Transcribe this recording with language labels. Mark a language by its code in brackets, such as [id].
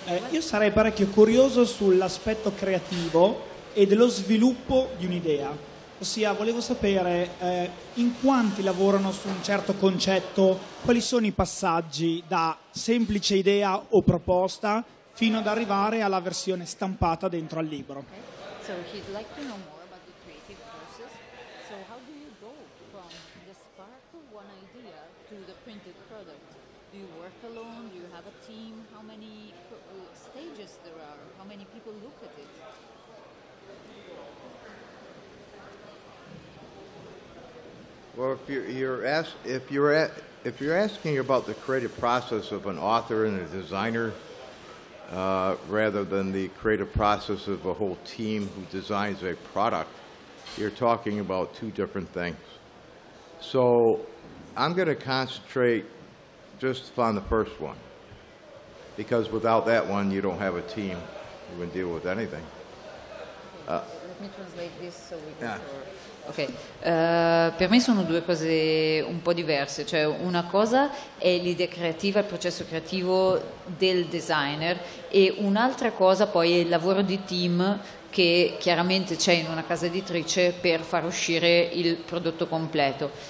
[it] Io sarei parecchio curioso sull'aspetto creativo e dello sviluppo di un'idea. Ossia, volevo sapere in quanti lavorano su un certo concetto, quali sono i passaggi da semplice idea o proposta fino ad arrivare alla versione stampata dentro al libro. [en] So he'd like to know more about the creative process. So how do you go from the spark of one idea to the printed product? Do you work alone? Do you have a team? How many stages there are? How many people look at it? Well, Well, if you're asking about the creative process of an author and a designer, rather than the creative process of a whole team who designs a product, you're talking about two different things. So I'm going to concentrate just on the first one, because without that one, you don't have a team who can deal with anything. Let me translate this so we can... Yeah. [it] Ok, per me sono due cose un po' diverse, cioè una cosa è l'idea creativa, il processo creativo del designer, e un'altra cosa poi è il lavoro di team che chiaramente c'è in una casa editrice per far uscire il prodotto completo.